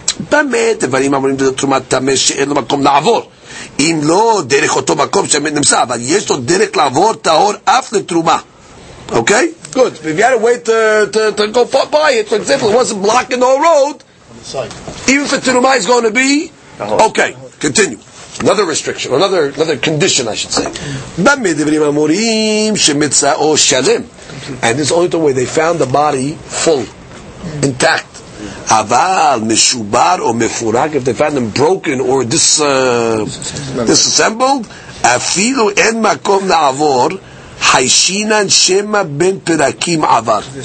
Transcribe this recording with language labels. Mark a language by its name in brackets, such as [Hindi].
[Hebrew] באמת, דברים אמורים לדעת תרומת תמי שאין לו מקום לעבור. אם לא, דרך אותו מקום שעמד נמצא, אבל יש לו דרך לעבור טהור אף לתרומה. [English] Okay? Good. If you had a way to go by it, for example, it wasn't blocking the road, even if the תרומה is going to be, okay, continue. Another restriction, another condition, I should say. [Hebrew] באמת, דברים אמורים שמצאו שלם. [English] And this is only the way they found the body full, intact. [Hebrew] Aval meshubar or mefurak, [English] if they found them broken or disassembled, [Hebrew] afilu en makom la'avor hayshinan shema ben perakim avar.